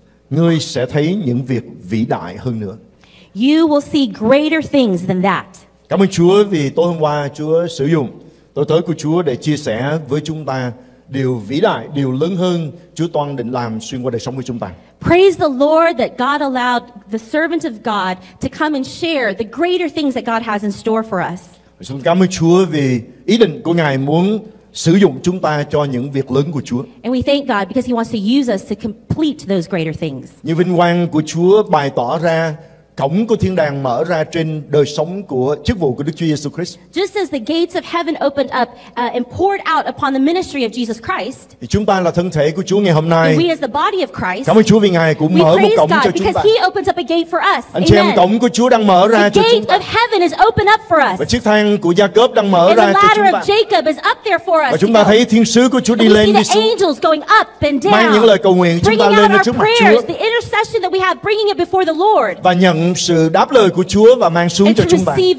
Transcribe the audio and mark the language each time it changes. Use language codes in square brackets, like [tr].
[vi] Ngươi sẽ thấy những việc vĩ đại hơn nữa. [en] You will see greater things than that. [vi] Cảm ơn Chúa vì tối hôm qua Chúa sử dụng tôi tới của Chúa để chia sẻ với chúng ta điều vĩ đại, điều lớn hơn Chúa toan định làm xuyên qua đời sống của chúng ta. [en] Praise the Lord that God allowed the servant of God to come and share the greater things that God has in store for us. [vi] Chúng cảm ơn Chúa vì ý định của Ngài muốn sử dụng chúng ta cho những việc lớn của Chúa. [en] And we thank God because He wants to use us to complete those greater things. [vi] Như vinh quang của Chúa bày tỏ ra, cổng của thiên đàng mở ra trên đời sống của chức vụ của Đức Chúa Jesus Christ. [en] Just as the gates of heaven opened up and poured out upon the ministry of Jesus Christ. [vi] Chúng ta là thân thể của Chúa ngày hôm nay. [en] We as the body of Christ. [vi] Cảm ơn Chúa vì Ngài cũng mở một cổng cho chúng ta. [en] Because He opens up a gate for us. [vi] Anh chị em, cổng của Chúa đang mở ra cho chúng ta. [en] The gate of heaven is open up for us. [vi] Và chiếc thang của Gia-cốp đang mở ra cho chúng ta. [en] The ladder of Jacob is up there for us. [vi] Và chúng ta thấy thiên sứ của Chúa đi lên đi xuống. [en] The angels going up and down. [vi] Mang những lời cầu nguyện chúng ta lên trước mặt Chúa. [en] The intercession that we have bringing it before the Lord. [vi] Và nhận sự đáp lời của Chúa và mang xuống cho chúng ta.